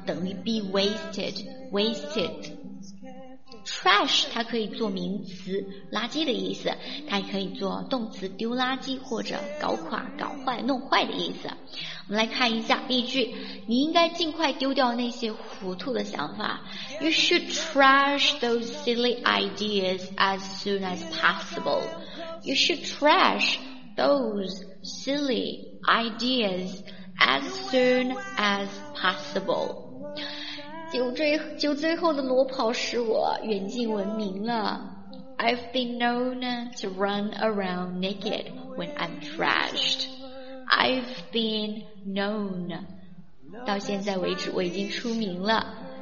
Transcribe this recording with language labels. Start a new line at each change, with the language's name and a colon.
English: 等于 be wasted, wasted.
Chinese: Trash 它可以做名词，垃圾的意思，它也可以做动词，丢垃圾或者搞垮、搞坏、弄坏的意思。我们来看一下例句，你应该尽快丢掉那些糊涂的想法。
English: You should trash those silly ideas as soon as possible. You should trash those silly ideas as soon as possible.
Chinese: 酒醉后的裸跑使我远近闻名了。
English: I've been known to run around naked when I'm trashed. I've been known
Chinese: 到现在为止我已经出名了。